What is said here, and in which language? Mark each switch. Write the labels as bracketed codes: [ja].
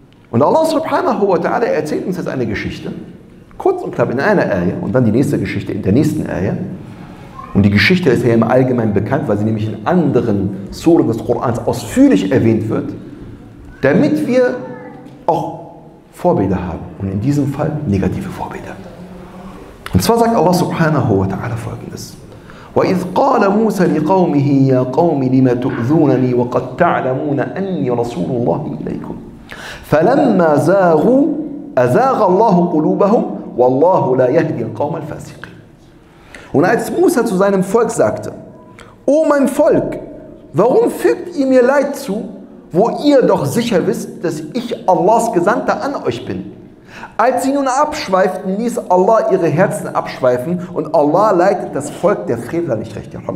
[de] Und Allah subhanahu wa ta'ala erzählt uns jetzt eine Geschichte, kurz und knapp in einer Ayah, und dann die nächste Geschichte in der nächsten Ayah. Und die Geschichte ist ja im Allgemeinen bekannt, weil sie nämlich in anderen Suren des Korans ausführlich erwähnt wird, damit wir auch Vorbilder haben, und in diesem Fall negative Vorbilder. Und zwar sagt Allah subhanahu wa ta'ala folgendes: [ar] وَإِذْ قَالَ مُوسَ لِقَوْمِهِ يَا قَوْمِ لِمَ تُؤْذُونَنِي وَقَدْ تَعْلَمُونَ أَنِّي رَسُولُ اللَّهِ إِلَيْكُمْ فَلَمَّا زَاغُوا أَزَاغَ اللَّهُ قُلُوبَهُمْ وَاللَّهُ لَا يَهْدِي الْقَوْمَ الْفَاسِقِينَ. [de] Und als Musa zu seinem Volk sagte: O mein Volk, warum fügt ihr mir Leid zu, wo ihr doch sicher wisst, dass ich Allahs Gesandter an euch bin? Als sie nun abschweiften, ließ Allah ihre Herzen abschweifen, und Allah leitet das Volk der Frevler nicht recht.